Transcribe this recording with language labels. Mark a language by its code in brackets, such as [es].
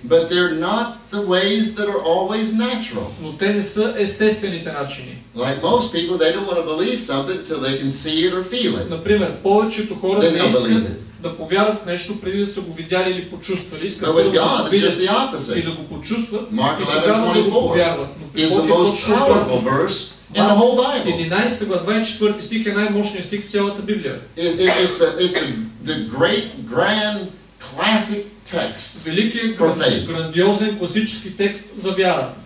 [en] But they're not the ways that are always natural. [bg] Но те не са естествените начини. [en] Like most people, they don't want to believe something till they can see it or feel it. [bg] Например, повечето хора не искат да повярват нещо преди да са го видяли или почувствали, искат да го видят и да го почувстват [en] Mark [bg] и така да го повярват. [en] Is the most powerful verse in the whole Bible. [bg] 11 глава 24 стих е най-мощният стих в цялата Библия. [en] It's the great grand classic text. [bg] Великият грандиозен класически текст за вяра.